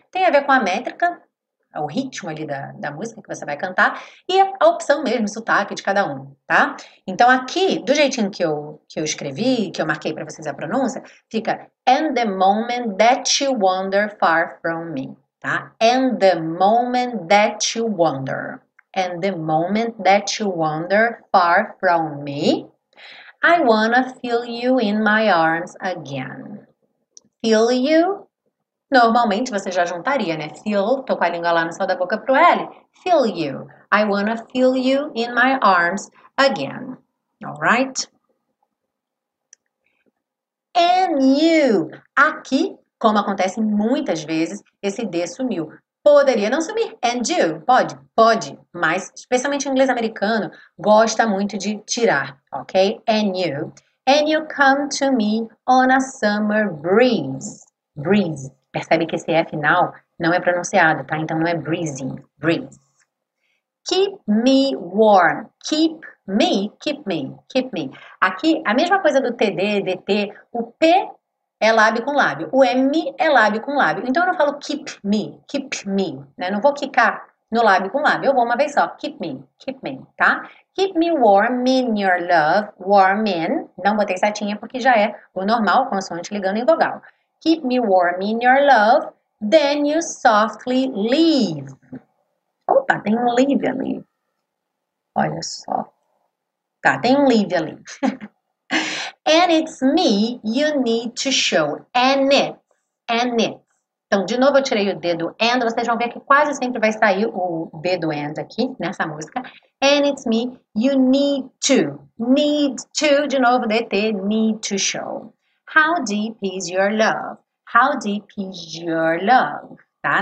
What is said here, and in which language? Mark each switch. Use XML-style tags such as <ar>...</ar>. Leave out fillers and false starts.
<pt>Tem a ver com a métrica, o ritmo ali da música que você vai cantar e a opção mesmo, o sotaque de cada um, tá? Então, aqui, do jeitinho que eu escrevi, que eu marquei para vocês a pronúncia, fica</pt> <en>and the moment that you wander far from me,</en> <pt>tá?</pt> <en>And the moment that you wander. And the moment that you wander far from me, I wanna feel you in my arms again. Feel you?</en> <pt>Normalmente você já juntaria, né? Feel, tô com a língua lá no céu da boca pro L.</pt> <en>Feel you. I wanna feel you in my arms again. Alright? And you.</en> <pt>Aqui, como acontece muitas vezes, esse D sumiu. Poderia não sumir.</pt> <en>And you?</en> <pt>Pode? Pode. Mas, especialmente o inglês americano, gosta muito de tirar, ok?</pt> <en>And you come to me on a summer breeze. Breeze.</en> <pt>Percebe que esse E final não é pronunciado, tá? Então, não é</pt> <en>breezing. Breeze. Keep me warm. Keep me. Keep me. Keep me.</en> <pt>Aqui, a mesma coisa do TD, DT, o P é lábio com lábio. O M é lábio com lábio. Então, eu não falo keep me, né? Não vou quicar no lábio com lábio. Eu vou uma vez só.</pt> <en>Keep me, tá? Keep me warm in your love. Warm in.</en> <pt>Não botei setinha porque já é o normal, consoante ligando em vogal.</pt> <en>Keep me warm in your love, then you softly leave.</en> <pt>Opa, tem um leave ali. Olha só. Tá, tem um leave ali.</pt> <en>And it's me you need to show. And it.</en> <pt>Então, de novo, eu tirei o D do and. Vocês vão ver que quase sempre vai sair o D do and aqui nessa música.</pt> <en>And it's me you need to. Need to,</en> <pt>de novo,</pt> <en>DT, need to show. How deep is your love? How deep is your love? Tá?</en>